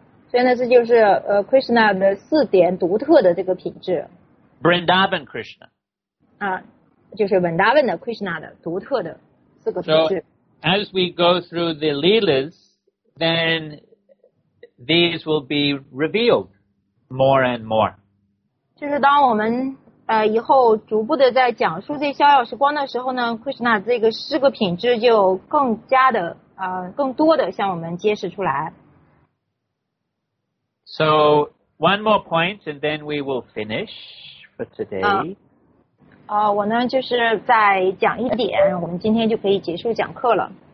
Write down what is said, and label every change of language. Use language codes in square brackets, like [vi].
[zh] 所以呢，这就是Krishna 的四点独特的这个品质。 [en] Vrindavan Krishna. [zh] 就是 Vrindavan 的 Krishna 的独特的四个品质。 [en] So, as we go through the leelas, then. These will be revealed more and more. [zh] 就是当我们以后逐步的在讲述这逍遥时光的时候呢 ，Krishna 这个四个品质就更加的更多的向我们揭示出来。 [en] So one more point, and then we will finish for today. [zh] 我呢就是再讲一点，我们今天就可以结束讲课了。